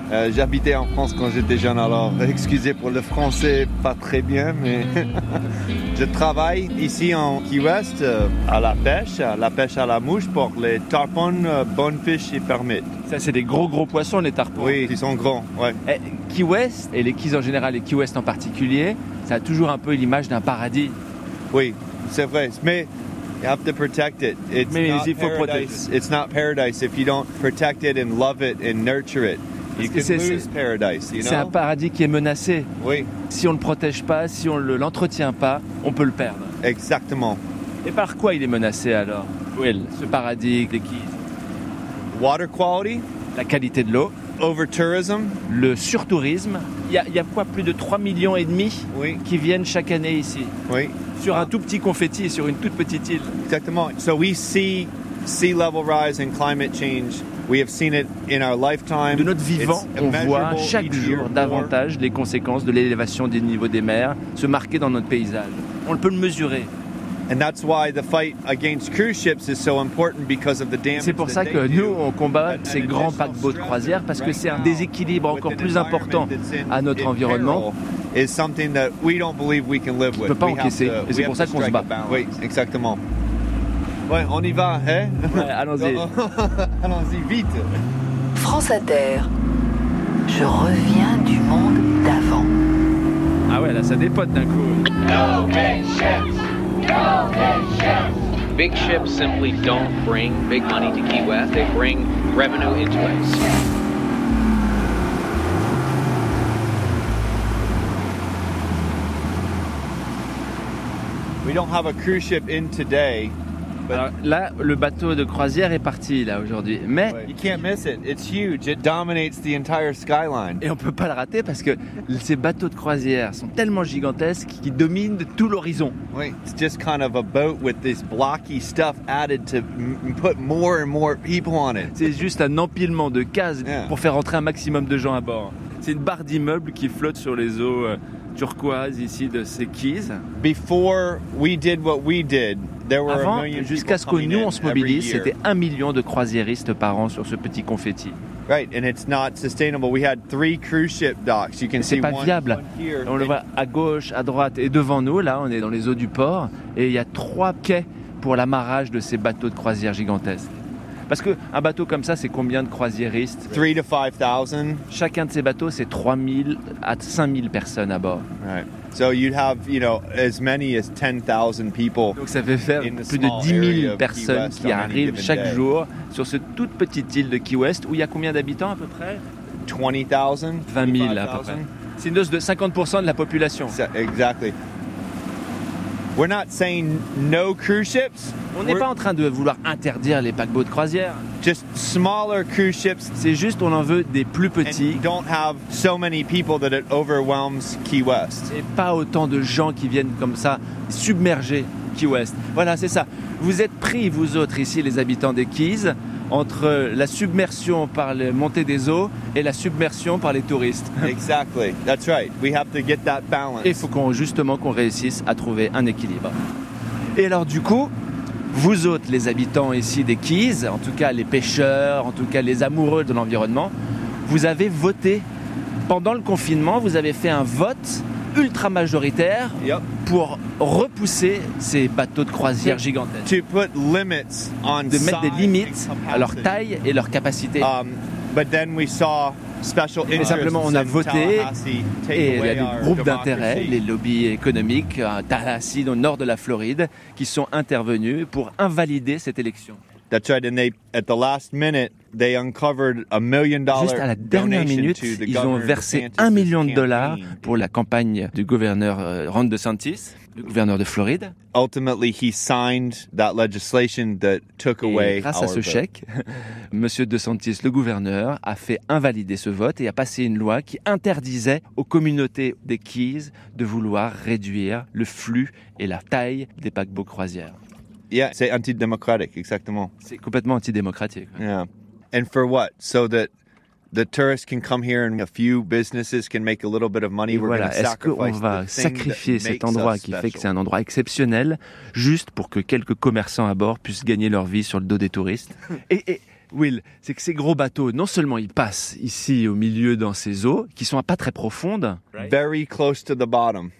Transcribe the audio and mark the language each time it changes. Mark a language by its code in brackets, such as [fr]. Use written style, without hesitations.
[fr] J'habitais en France quand j'étais jeune, alors excusez pour le français, pas très bien, mais je travaille ici en Key West à la pêche à la mouche pour les tarpon, bonefish et permit. Ça, c'est des gros poissons, les tarpons. Oui, ils sont grands, ouais. Key West, et les Keys en général, et Key West en particulier, ça a toujours un peu l'image d'un paradis. Oui, c'est vrai, mais... [en] You have to protect it. It's [fr] mais [en] not [fr] il [en] paradise. [fr] Faut protéger. [en] It's not paradise if you don't protect it and love it and nurture it. You can lose paradise. You know? [fr] C'est un paradis qui est menacé. Oui. Si on ne le protège pas, si on ne l'entretient pas, on peut le perdre. Exactement. Et par quoi il est menacé alors, Will, ce paradis des Keys? [en] Water quality. [fr] La qualité de l'eau. [en] Over-tourism. [fr] Le surtourisme. Il y a quoi, plus de 3,5 millions oui. qui viennent chaque année ici. Oui. Sur un tout petit confetti, sur une toute petite île. Exactement. [en] So we see sea level rise and climate change. We have seen it in our lifetime. [fr] De notre vivant, on voit chaque jour davantage les conséquences de l'élévation des niveaux des mers se marquer dans notre paysage. On peut le mesurer. [en] And that's why the fight against cruise ships is so important because of the damage. [fr] C'est pour ça que nous on combat ces grands paquebots de croisière parce que c'est un déséquilibre encore plus important à notre environnement. [en] Is something that we don't believe we can live with. [fr] On ne peut pas encaisser. Et c'est pour ça qu'on se bat. Oui, exactement. Ouais, on y va, hein? Ouais, allons-y. Allons-y, vite. France Inter. Je reviens du monde d'avant. Ah ouais, là, ça dépote d'un coup. [en] No big ships! No big ships! Big ships simply don't bring big money to Key West. They bring revenue into it. We don't have a cruise ship in today. [fr] Alors là, le bateau de croisière est parti là aujourd'hui, mais [en] you can't miss it. It's huge. It dominates the entire skyline. [fr] Et on peut pas le rater parce que ces bateaux de croisière sont tellement gigantesques qu'ils dominent tout l'horizon. Oui. [en] It's just kind of a boat with this blocky stuff added to put more and more people on it. [fr] C'est juste un empilement de cases pour faire entrer un maximum de gens à bord. C'est une barre d'immeubles qui flotte sur les eaux turquoise ici de ces keys. [en] Before we did what we did, there were [fr] avant, [en] a million [fr] jusqu'à ce que nous on se mobilise, c'était un million de croisiéristes par an sur ce petit confetti. [en] Right, and it's not sustainable. We had three cruise ship docks. You can see one viable. Here. [fr] On le voit à gauche, à droite et devant nous. Là, on est dans les eaux du port et il y a trois quais pour l'amarrage de ces bateaux de croisière gigantesques. Parce qu'un bateau comme ça, c'est combien de croisiéristes? [en] 3 to 5,000. [fr] Chacun de ces bateaux, c'est 3,000 à 5,000 personnes à bord. [en] Right. So you'd have, you know, as many as 10,000 people. [fr] Donc ça fait faire plus de 10,000 personnes qui arrivent chaque jour sur cette toute petite île de Key West où il y a combien d'habitants à peu près? [en] 20,000. [fr] 20,000 à peu près. C'est une dose de 50% de la population. [en] Exactly. We're not saying no cruise ships. [fr] On n'est pas en train de vouloir interdire les paquebots de croisière. [en] Just smaller cruise ships. [fr] C'est juste on en veut des plus petits. [en] And don't have so many people that it overwhelms Key West. [fr] Et pas autant de gens qui viennent comme ça submerger Key West. Voilà, c'est ça. Vous êtes pris, vous autres ici, les habitants des Keys, entre la submersion par la montée des eaux et la submersion par les touristes. [en] Exactly. That's right. We have to get that balance. [fr] Il faut qu'on réussisse à trouver un équilibre. Et alors du coup, vous autres, les habitants ici des Keys, en tout cas les pêcheurs, en tout cas les amoureux de l'environnement, vous avez voté. Pendant le confinement, vous avez fait un vote ultra majoritaire pour repousser ces bateaux de croisière gigantesques. De mettre des limites à leur taille et leur capacité. Mais simplement, on a voté et il y a des groupes d'intérêt, les lobbies économiques à Tallahassee, au nord de la Floride, qui sont intervenus pour invalider cette élection. [en] That's right, and they, at the last minute, they uncovered $1 million. [fr] Juste à la dernière minute, ils ont versé $1 million pour la campagne du gouverneur Ron DeSantis, le gouverneur de Floride. [en] Ultimately, he signed that legislation that took away. [fr] Et grâce à ce chèque, Monsieur DeSantis, le gouverneur, a fait invalider ce vote et a passé une loi qui interdisait aux communautés des Keys de vouloir réduire le flux et la taille des paquebots croisières. Yeah, c'est antidémocratique, exactement. C'est complètement antidémocratique. [en] Yeah. And for what? So that the tourists can come here and a few businesses can make a little bit of money. [fr] Et voilà, est-ce qu'on va sacrifier cet endroit qui fait que c'est un endroit exceptionnel juste pour que quelques commerçants à bord puissent gagner leur vie sur le dos des touristes? Et Will, c'est que ces gros bateaux, non seulement ils passent ici au milieu dans ces eaux qui sont pas très profondes, [en] very close to the bottom.